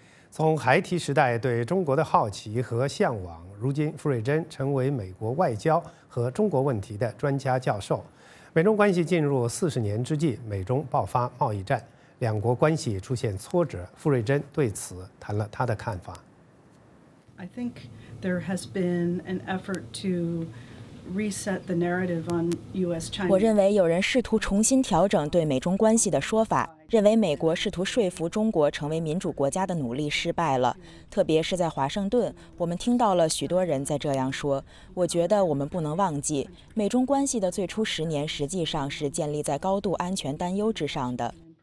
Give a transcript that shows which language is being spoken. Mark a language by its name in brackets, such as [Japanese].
[Chinese] 从孩提时代对中国的好奇和向往，如今傅瑞珍成为美国外交和中国问题的专家教授。美中关系进入40年之际，美中爆发贸易战，两国关系出现挫折，傅瑞珍对此谈了他的看法。 [English] I think there has been an effort to reset the narrative on U.S.-China. [Chinese] 我认为有人试图重新调整对美中关系的说法，认为美国试图说服中国成为民主国家的努力失败了。特别是在华盛顿，我们听到了许多人在这样说。我觉得我们不能忘记，美中关系的最初10年实际上是建立在高度安全担忧之上的。